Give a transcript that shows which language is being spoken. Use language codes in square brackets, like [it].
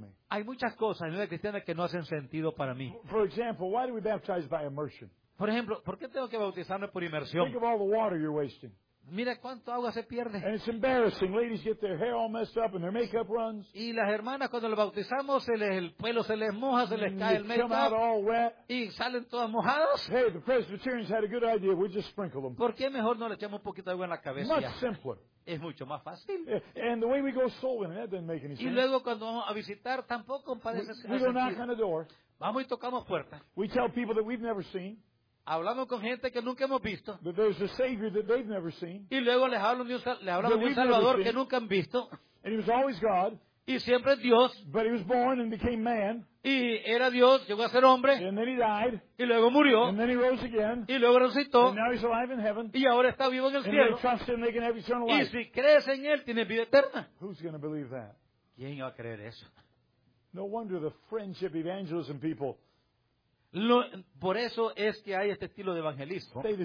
[es] hay muchas cosas en la vida cristiana que no hacen sentido para mí. [en] For example, why do we baptize by immersion? [es] Por ejemplo, ¿por qué tengo que bautizarme por inmersión? [en] Think of all the water you're wasting. [es] Mira cuánto agua se pierde. [en] And it's embarrassing. Ladies get their hair all messed up and their makeup runs. [es] Y las hermanas cuando las bautizamos el pelo se les moja, se les cae el makeup. Y salen todas mojadas. [en] Hey, the Presbyterians had a good idea. We just sprinkle them. [es] ¿Por qué mejor no le echamos un poquito de agua en la cabeza? [en] Much simpler. [es] Es mucho más fácil. [en] And the way we go soul winning, that doesn't make any sense. [es] Y luego cuando vamos a visitar tampoco parece [en] que we knock on the door. [es] Vamos y tocamos puerta. [en] We tell people that we've never seen. [es] Hablamos con gente que nunca hemos visto. [en] But there's a Savior that they've never seen. [es] Y luego les hablo de un Salvador que nunca han visto. [en] And he was always God. [es] Y siempre es Dios. [en] But he was born and became man. [es] Y era Dios, llegó a ser hombre. [en] And then he died. [es] Y luego murió. [en] And then he rose again. [es] Y luego resucitó. [en] And now he's alive in heaven. [es] Y ahora está vivo en el [en] and [es] cielo. [en] They trust him, they can have eternal life. [es] Y si crees en él, tienes vida eterna. [en] Who's going to believe that? [es] ¿Quién va a creer eso? [en] No wonder the friendship evangelism people. [es] Por eso es que hay este estilo de evangelismo.